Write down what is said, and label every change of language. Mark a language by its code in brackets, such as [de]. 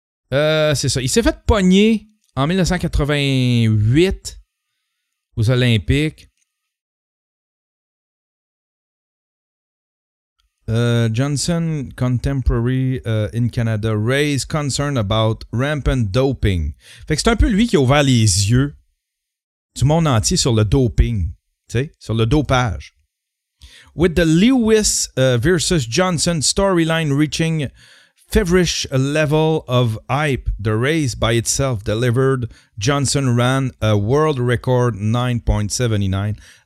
[fr] C'est ça. Il s'est fait pogner en 1988. Aux Olympiques. [en] Johnson contemporary in Canada raised concern about rampant doping. [fr] Fait que c'est un peu lui qui a ouvert les yeux du monde entier sur le doping, tu sais, sur le dopage. [en] With the Lewis versus Johnson storyline reaching feverish level of hype, the race by itself delivered. Johnson ran a world record 9.79.